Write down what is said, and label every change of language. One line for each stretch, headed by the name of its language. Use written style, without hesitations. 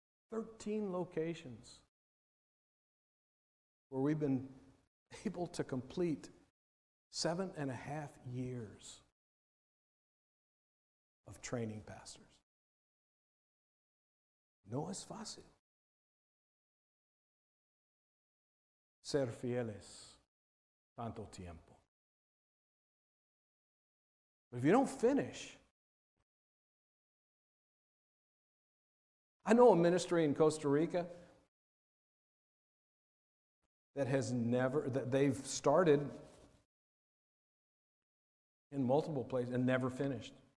English: 13 locations where we've been able to complete 7.5 years of training pastors.
Spanish: No es fácil ser fieles tanto tiempo.
English: But if you don't finish, I know a ministry in Costa Rica they've started in multiple places and never finished.